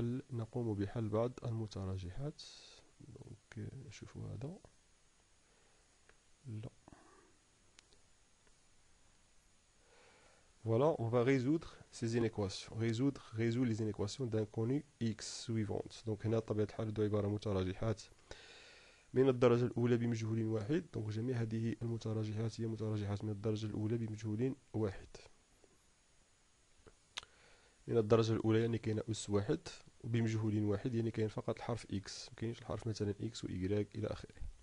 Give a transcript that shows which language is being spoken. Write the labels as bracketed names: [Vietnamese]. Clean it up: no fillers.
[Arabic] نقوم بحل بعض المتراجعات. دونك شوفوا هذا، لا [French] voilà, on va résoudre ces inéquations. Résoudre les inéquations d'inconnu x suivantes. [Arabic] Donc هنا طبيعة الحال دو عبارة متراجعات من الدرجة الأولى بمجهول واحد. دونك جميع هذه المتراجعات هي متراجعات من الدرجة الأولى بمجهول واحد. من الدرجة الأولى يعني كاين أس واحد بمجهول واحد، يعني كاين فقط الحرف إكس، مكاينش الحرف مثلا إكس وإيكغيك إلى آخره.